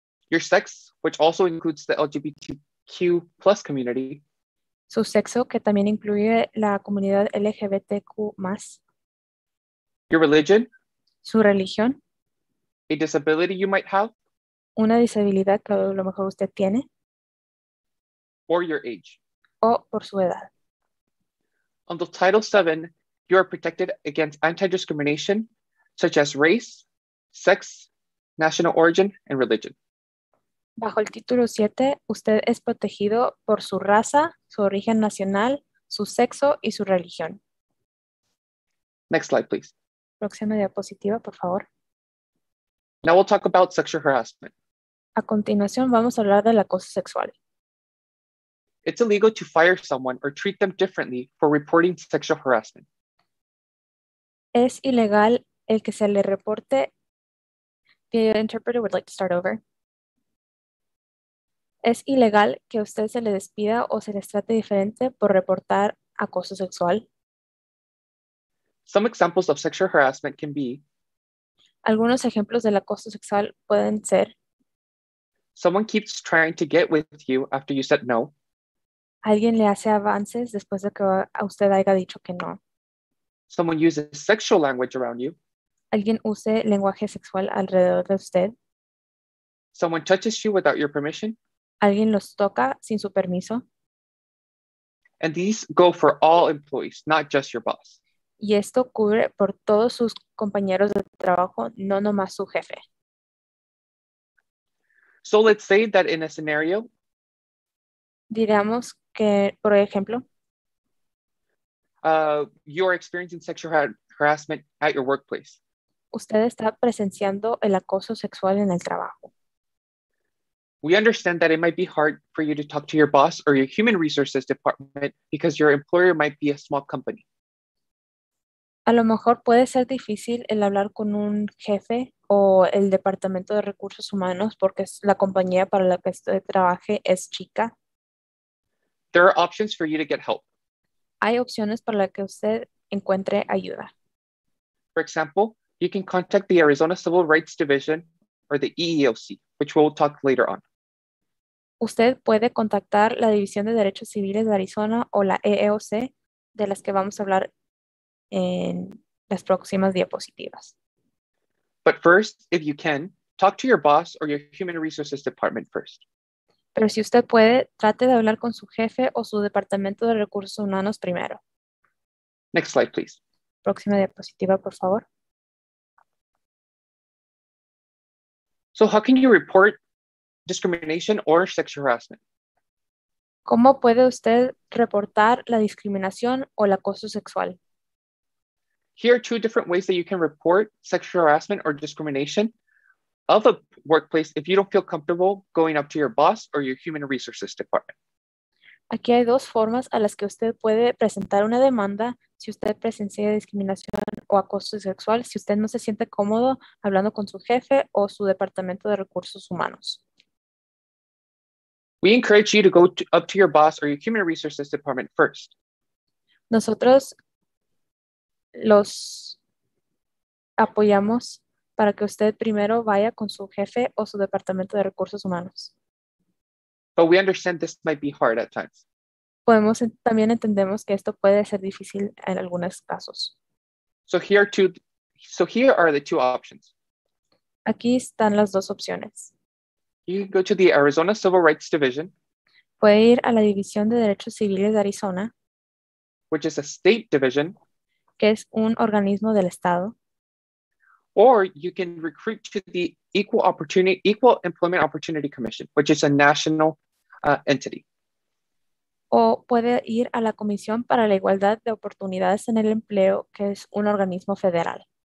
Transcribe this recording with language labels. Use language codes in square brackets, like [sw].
[en] Your sex, which also includes the LGBTQ+ community. [es] Su sexo, que también incluye la comunidad LGBTQ+. [en] Your religion. [es] Su religión. [en] A disability you might have. [es] Una disabilidad que a lo mejor usted tiene. [en] Or your age. [es] O por su edad. [en] Under Title VII, you are protected against anti-discrimination, such as race, sex, national origin, and religion. [es] Bajo el título 7, usted es protegido por su raza, su origen nacional, su sexo y su religión. [en] Next slide, please. [es] Próxima diapositiva, por favor. [en] Now we'll talk about sexual harassment. [es] A continuación, vamos a hablar del acoso sexual. [en] It's illegal to fire someone or treat them differently for reporting sexual harassment. [es] Es ilegal el que se le reporte. [en] The interpreter would like to start over. [es] Es ilegal que usted se le despida o se les trate diferente por reportar acoso sexual. [en] Some examples of sexual harassment can be. [es] Algunos ejemplos del acoso sexual pueden ser. [en] Someone keeps trying to get with you after you said no. [es] Alguien le hace avances después de que a usted haya dicho que no. [en] Someone uses sexual language around you. [es] Alguien use lenguaje sexual alrededor de usted. [en] Someone touches you without your permission. [es] Alguien los toca sin su permiso. [en] And these go for all employees, not just your boss. [es] Y esto cubre por todos sus compañeros de trabajo, no nomás su jefe. [en] So let's say that in a scenario. [es] Digamos que, por ejemplo. [en] You're experiencing sexual harassment at your workplace. [es] Usted está presenciando el acoso sexual en el trabajo. [en] We understand that it might be hard for you to talk to your boss or your human resources department because your employer might be a small company. [es] A lo mejor puede ser difícil el hablar con un jefe o el departamento de recursos humanos porque la compañía para la que usted trabaje es chica. [en] There are options for you to get help. [es] Hay opciones para la que usted encuentre ayuda. [en] For example, you can contact the Arizona Civil Rights Division or the EEOC, which we'll talk later on. [es] Usted puede contactar la División de Derechos Civiles de Arizona o la EEOC, de las que vamos a hablar en las próximas diapositivas. [en] But first, if you can, talk to your boss or your human resources department first. [es] Pero si usted puede, trate de hablar con su jefe o su departamento de recursos humanos primero. [en] Next slide, please. [es] Próxima diapositiva, por favor. [en] So how can you report discrimination or sexual harassment? [es] ¿Cómo puede usted reportar la discriminación o el acoso sexual? [en] Here are two different ways that you can report sexual harassment or discrimination of a workplace if you don't feel comfortable going up to your boss or your human resources department. [es] Aquí hay dos formas a las que usted puede presentar una demanda si usted presencia discriminación o acoso sexual, si usted no se siente cómodo hablando con su jefe o su departamento de recursos humanos. [en] We encourage you to go up to your boss or your human resources department first. [es] Nosotros los apoyamos para que usted primero vaya con su jefe o su departamento de recursos humanos. [en] But we understand this might be hard at times. [es] Podemos, también entendemos que esto puede ser difícil en algunos casos. [en] So here are the two options. [es] Aquí están las dos opciones. [en] You can go to the Arizona Civil Rights Division. [es] Puede ir a la División de Derechos Civiles de Arizona. [en] Which is a state division. [es] Que es un organismo del estado. [en] Or you can recruit to the Equal Employment Opportunity Commission, which is a national entity. [es] O puede ir a la Comisión para la Igualdad de Oportunidades en el Empleo, que es un organismo federal.